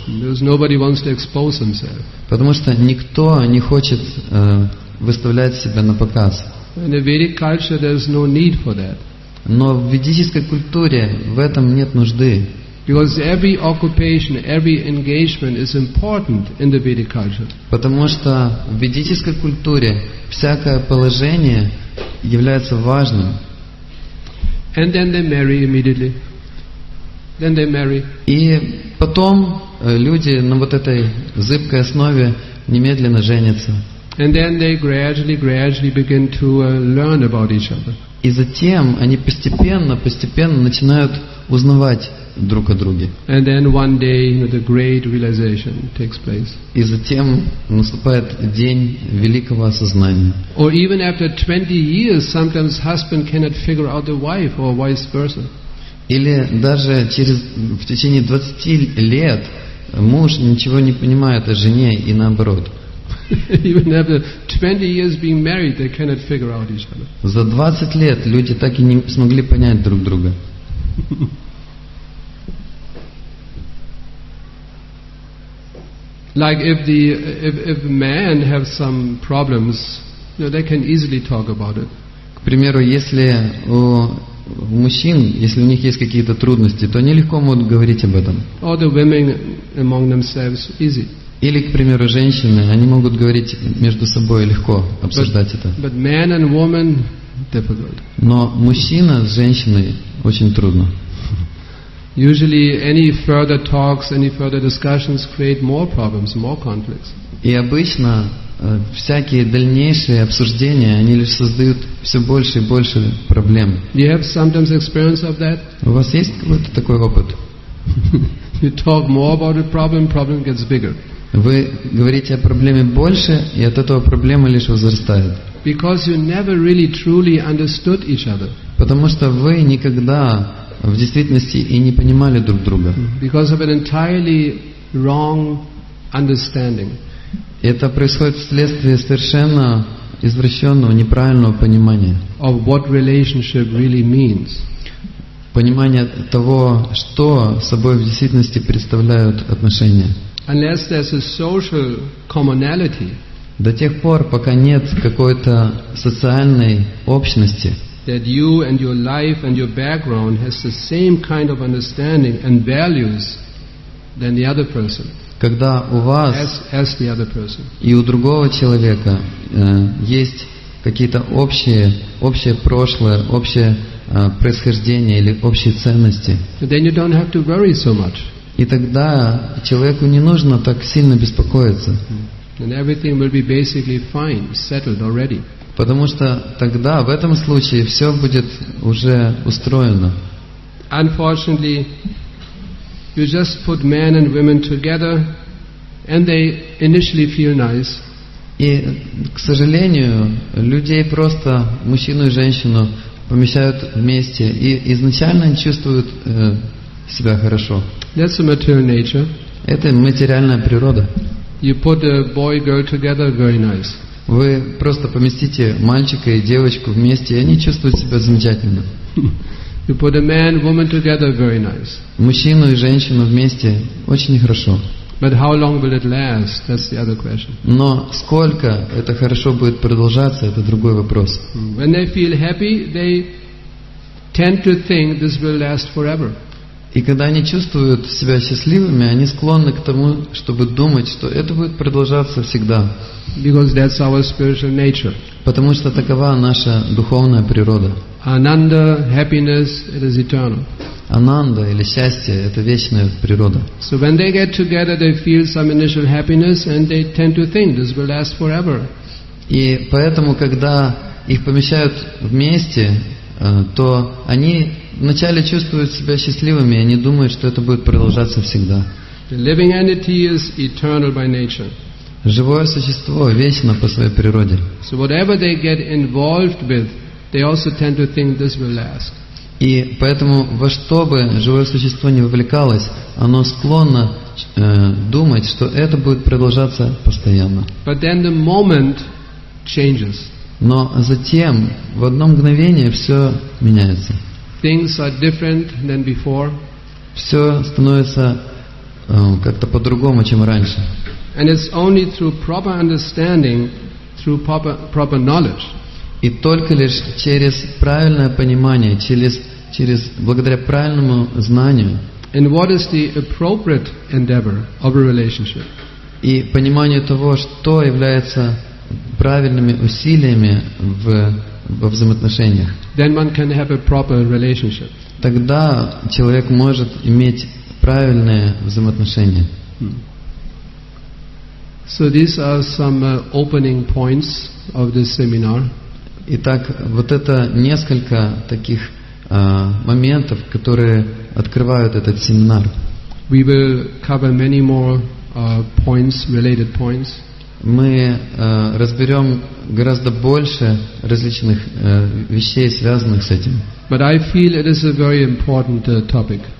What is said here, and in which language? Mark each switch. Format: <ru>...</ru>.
<en>Because nobody wants to expose himself.</en> <ru>Потому что никто не хочет выставлять себя на показ.</ru> <en>In a Vedic culture, there is no need for that.</en> <ru>Но в ведической культуре в этом нет нужды.</ru> <en>Because every occupation, every engagement is important in the Vedic culture.</en> <ru>Потому что в ведической культуре всякое положение является важным.</ru> <en>And then they marry immediately. Then they marry.</en> <ru>И потом люди на вот этой зыбкой основе немедленно женятся.</ru> <en>And then they gradually begin to learn about each other.</en> <ru>И затем они постепенно начинают узнавать друг о друге.</ru> <en>And then one day, you know, the great realization takes place.</en> <ru>И затем наступает день великого осознания.</ru> <en>Or even after 20 years, sometimes husband cannot figure out the wife or vice versa.</en> <ru>Или даже в течение 20 лет муж ничего не понимает о жене и наоборот.</ru> <en>Even after 20 years being married, they cannot figure out each other.</en> <ru>За 20 лет люди так и не смогли понять друг друга.</ru> <en>Like if men have some problems, you know, they can easily talk about it.</en> <ru>К примеру, если у мужчин, если у них есть какие-то трудности, то они легко могут говорить об этом.</ru> <en>Or the women among themselves, easy.</en> <ru>Или, к примеру, женщины, они могут говорить между собой легко, обсуждать это.</ru> <en>But man and woman, difficult.</en> <ru>Но мужчина с женщиной очень трудно.</ru> <en>Usually any further talks, any further discussions create more problems, more conflicts.</en> <ru>И обычно всякие дальнейшие обсуждения, они лишь создают все больше и больше проблем.</ru> <en>You have sometimes experience of that?</en> <ru>У вас есть какой-то такой опыт?</ru> <en>You talk more about a problem, problem gets bigger.</en> <ru>Вы говорите о проблеме больше, и от этого проблема лишь возрастает.</ru> <en>Because you never really truly understood each other.</en> <ru>Потому что вы никогда в действительности и не понимали друг друга.</ru> <en>Because of an entirely wrong understanding.</en> <ru>Это происходит вследствие совершенно извращенного, неправильного понимания.</ru> <en>Of what relationship really means.</en> <ru>Понимание того, что собой в действительности представляют отношения.</ru> <en>Unless there's a social commonality,</en> <ru>до тех пор, пока нет какой-то социальной общности,</ru> <en>that you and your life and your background has the same kind of understanding and values than the other person,</en> <ru>когда у вас</ru> <en>as the other person.</en> <ru>И у другого человека есть какие-то общее прошлое, общее происхождение или общие ценности,</ru> <en>then you don't have to worry so much.</en> <ru>И тогда человеку не нужно так сильно беспокоиться.</ru> <en>And everything will be basically fine, settled already.</en> <ru>Потому что тогда, в этом случае, все будет уже устроено.</ru> <en>Unfortunately, you just put men and women together, and they initially feel nice.</en> <ru>И, к сожалению, людей просто, мужчину и женщину, помещают вместе, и изначально они чувствуют себя хорошо.</ru> <en>That's a material nature.</en> <ru>Это материальная природа.</ru> <en>You put a boy and girl together, very nice.</en> <ru>Вы просто поместите мальчика и девочку вместе, и они чувствуют себя замечательно.</ru> <en>You put a man and woman together, very nice.</en> <ru>Мужчину и женщину вместе очень хорошо.</ru> <en>But how long will it last? That's the other question.</en> <ru>Но сколько это хорошо будет продолжаться, это другой вопрос.</ru> <en>When they feel happy, they tend to think this will last forever.</en> <ru>И когда они чувствуют себя счастливыми, они склонны к тому, чтобы думать, что это будет продолжаться всегда.</ru> <en>Because that's our spiritual nature.</en> <ru>Потому что такова наша духовная природа.</ru> <en>Ananda, happiness, it is eternal.</en> <ru>ананда или счастье – это вечная природа.</ru> <en>So when they get together, they feel some initial happiness, and they tend to think this will last forever.</en> <ru>И поэтому, когда их помещают вместе, то они вначале чувствуют себя счастливыми, и они думают, что это будет продолжаться всегда.</ru> <en>The living entity is eternal by nature.</en> <ru>Живое существо вечно по своей природе.</ru> <en>So whatever they get involved with, they also tend to think this will last.</en> <ru>И поэтому во что бы живое существо не вовлекалось, оно склонно думать, что это будет продолжаться постоянно.</ru> <en>But then the moment changes.</en> <ru>Но затем в одно мгновение все меняется.</ru> <en>Things are different than before.</en> <ru>Все становится как-то по-другому, чем раньше.</ru> <en>And it's only through proper understanding, through proper knowledge.</en> <ru>И только лишь через правильное понимание, через благодаря правильному знанию.</ru> <en>And what is the appropriate endeavor of a relationship?</en> <ru>И пониманию того, что является правильными усилиями во взаимоотношениях.</ru> <en>Then one can have a proper relationship.</en> <ru>Тогда человек может иметь правильные взаимоотношения.</ru> <en>So these are some opening points of this seminar.</en> <ru>Итак, вот это несколько таких моментов, которые открывают этот семинар.</ru> <en>We will cover many more points, related points.</en> <ru>Мы разберем гораздо больше различных вещей, связанных с этим.</ru> <en>But I feel it is a very important topic.</en>